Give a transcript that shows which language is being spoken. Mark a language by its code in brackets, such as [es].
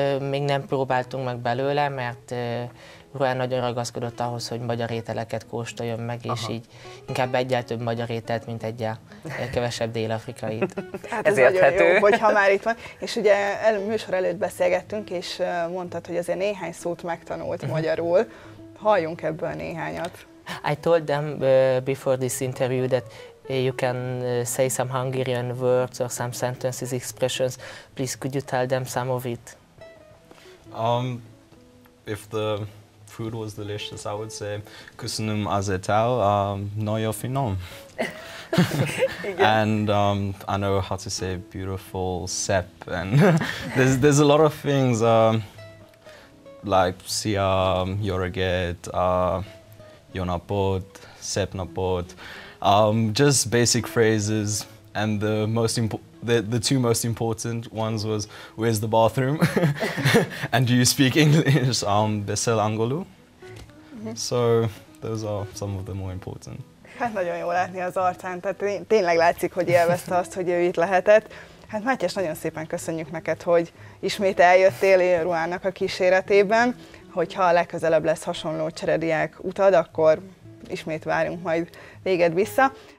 [hu] Még nem próbáltunk meg belőle, mert Ruhán nagyon ragaszkodott ahhoz, hogy magyar ételeket kóstoljon meg, és így inkább egyel több magyar ételt, mint egyel kevesebb dél-afrikait. Hát ez érthető. Nagyon jó, hogyha már itt van. És ugye műsor előtt beszélgettünk, és mondtad, hogy azért néhány szót megtanult magyarul. Halljunk ebből néhányat. [en] I told them before this interview that you can say some Hungarian words or some sentences, expressions. Please, could you tell them some of it? If the food was delicious, I would say [hu] "Köszönöm az étel, nagyon finom." [en] And I know how to say "beautiful [hu] szép." [en] And there's a lot of things like [hu] "szia," "jó reggelt," "jó napot," "szép napot." [en] Just basic phrases, and the most the two most important ones was "Where's the bathroom?" and "Do you speak English?" [hu] Beszél angolul. [en] So those are some of the more important. [hu] Hát nagyon jó látni az arcán, tehát tényleg látszik, hogy élvezte azt, hogy ő itt lehetett. Hát Mátyás, nagyon szépen köszönjük neked, hogy ismét eljöttél Ruhának a kíséretében. Hogyha a legközelebb lesz hasonló cserediák utad, akkor ismét várunk majd téged vissza.